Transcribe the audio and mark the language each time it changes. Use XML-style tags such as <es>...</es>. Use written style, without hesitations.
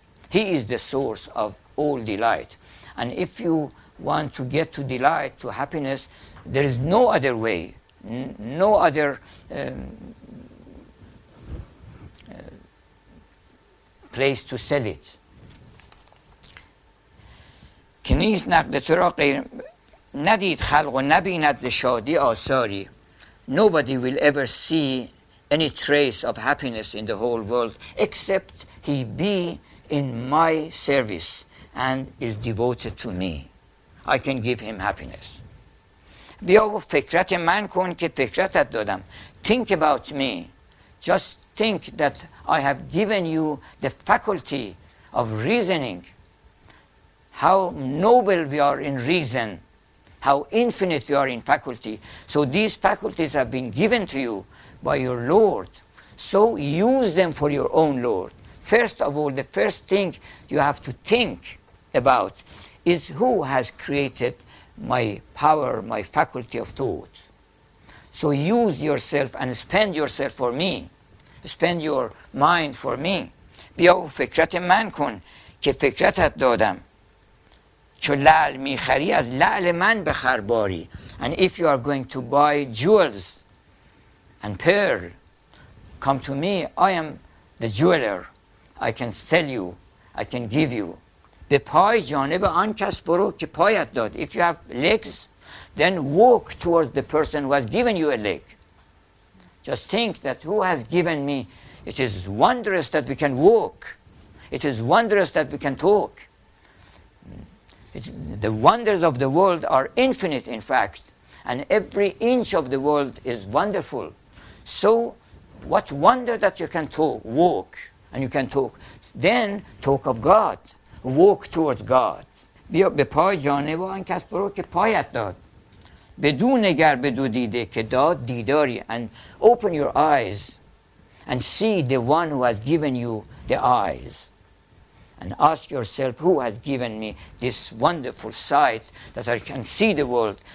<en>He is the source of all delight. And if you want to get to delight, to happiness, there is no other way, no other place to sell it.</en> <fa>که نیست نقد تو را غیر ندید خلق و نبیند ز شادی آثاری.</fa> <en>Nobody will ever see any trace of happiness in the whole world except he be in my service and is devoted to me. I can give him happiness.</en> <fa>بیا و فکرت من کن که فکرتت دادم.</fa> <en>Think about me. Just think that I have given you the faculty of reasoning. How noble we are in reason, how infinite we are in faculty. So these faculties have been given to you by your Lord. So use them for your own Lord. First of all, the first thing you have to think about is who has created my power, my faculty of thought. So use yourself and spend yourself for me. Spend your mind for me.</en> <fa>بیا و فکرت من کن که فکرتت دادم. چو لعل میخری از لعل من بخر باری.</fa> <en>And if you are going to buy jewels and pearl, come to me. I am the jeweler. I can sell you. I can give you.</en> <fa>به پای جانب آن کس برو که پایت داد.</fa> <en>If you have legs, then walk towards the person who has given you a leg. Just think that who has given me. It is wondrous that we can walk. It is wondrous that we can talk. The wonders of the world are infinite, in fact, and every inch of the world is wonderful. So what wonder that you can talk, walk, and you can talk. Then talk of God. Walk towards God.</en> <fa>بیا به پای جانب آن کس برو که پایت داد. بدو نگر بدو دیده که داد دیداری.</fa> <en>And open your eyes and see the one who has given you the eyes. And ask yourself, who has given me this wonderful sight that I can see the world?</en>